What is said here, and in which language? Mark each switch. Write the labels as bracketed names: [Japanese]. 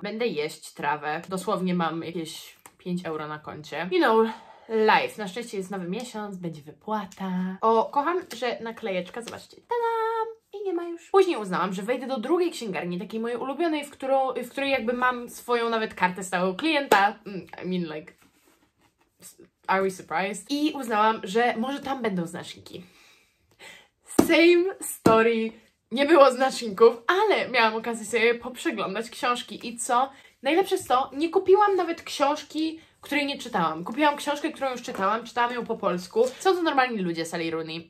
[Polish] Będę jeść trawę. Dosłownie mam jakieś 5 euro na koncie. [English] You know, life. [Polish] Na szczęście jest nowy miesiąc, będzie wypłata. O, kocham, że naklejeczka, zobaczcie, ta-dam! I jej nie ma już. Później uznałam, że wejdę do drugiej księgarni, takiej mojej ulubionej, w której jakby mam swoją nawet kartę stałego klienta. [English] I mean like, are we surprised? [Polish] I uznałam, że może tam będą znaczniki. [English] Same story. [Polish] Nie było znaczników, ale miałam okazję sobie poprzeglądać książki. I co? Najlepsze jest to, nie kupiłam nawet książki, której nie czytałam. Kupiłam książkę, którą już czytałam, czytałam ją po polsku. Są to normalni ludzie, Sally Rooney.